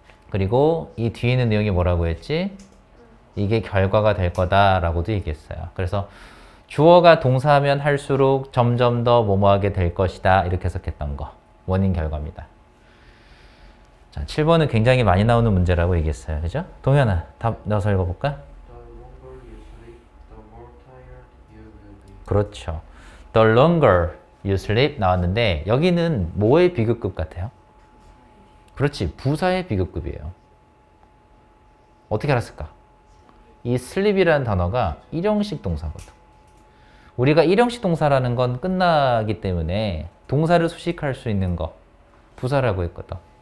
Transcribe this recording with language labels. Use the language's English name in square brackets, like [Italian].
[Korean] 그리고 이 뒤에 있는 내용이 뭐라고 했지? 이게 결과가 될 거다 라고도 얘기했어요. 그래서 주어가 동사하면 할수록 점점 더 뭐뭐하게 될 것이다 이렇게 해석했던 거. 원인 결과입니다. 자, 7번은 굉장히 많이 나오는 문제라고 얘기했어요. 그죠? 동현아, 답 넣어서 읽어볼까? [English] The longer you sleep, the more tired you will be. [Korean] 그렇죠. [English] The longer you sleep [Korean] 나왔는데 여기는 뭐의 비교급 같아요? 그렇지. 부사의 비교급이에요. 어떻게 알았을까? 이 sleep이라는 단어가 일형식 동사거든. 우리가 일형식 동사라는 건 끝나기 때문에 동사를 수식할 수 있는 거, 부사라고 했거든.